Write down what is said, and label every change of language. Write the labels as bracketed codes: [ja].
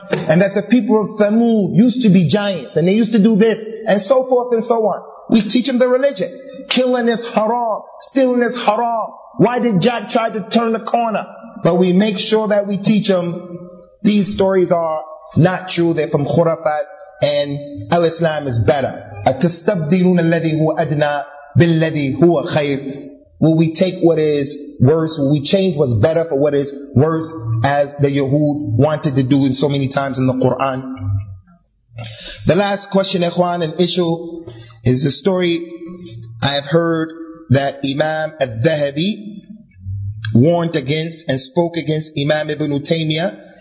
[en] And that the people of Thamud used to be giants. And they used to do this and so forth and so on. We teach them the religion. Killing is haram. Stealing is haram. Why did Jack try to turn the corner? But we make sure that we teach them these stories are not true. They're from khurafat. And Al-Islam is better. [ar] أَتَسْتَبْدِلُونَ الَّذِي هُوَ أَدْنَى بِالَّذِي هُوَ خَيْرٌ [en] Will we take what is worse? Will we change what's better for what is worse, as the Yahud wanted to do in so many times in the Qur'an? The last question, Ikhwan and Ishul, is the story I have heard that Imam al-Dhahabi warned against and spoke against Imam Ibn Taymiyyah.